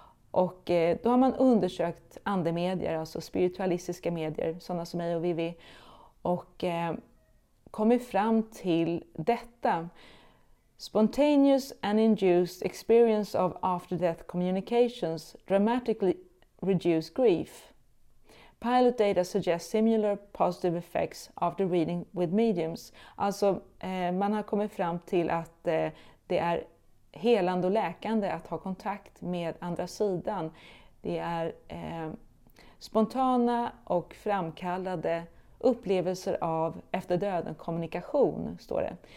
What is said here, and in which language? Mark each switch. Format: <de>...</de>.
<sv>Och då har man undersökt andemedier, alltså spiritualistiska medier, sådana som mig och Vivi. Och kommit fram till detta.</sv> <en>Spontaneous and induced experience of after-death communications dramatically reduce grief. Pilot data suggests similar positive effects after reading with mediums.</en> <sv>Alltså man har kommit fram till att det är helande och läkande att ha kontakt med andra sidan. Det är spontana och framkallade upplevelser av efter döden kommunikation, står det.</sv>